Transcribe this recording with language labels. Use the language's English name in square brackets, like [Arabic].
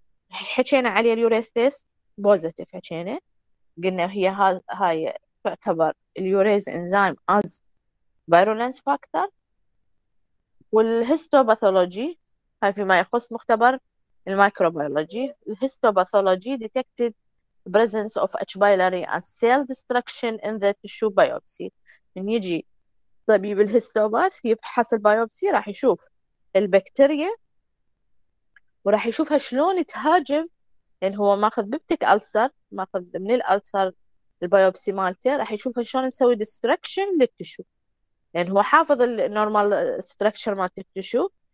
[Arabic] حكينا عليه اليوريز تيست بوزيتيف، حكينا قلنا هي هاي تعتبر اليوريز انزيم [English] as virulence factor, [Arabic] والهيستوباثولوجي هاي فيما يخص مختبر الميكروبيولوجي. [English] الهيستوباثولوجي detected presence of H. pylori and cell destruction in the tissue biopsy. [Arabic] من يجي طبيب الهيستوباث يفحص البيوبسي راح يشوف البكتيريا وراح يشوفها شلون تهاجم، لان يعني هو ماخذ ببتك ألسر، ماخذ من الألسر البيوبسي مالته، راح يشوفها شلون تسوي destruction للتشو، لان يعني هو حافظ النورمال structure مال التشو.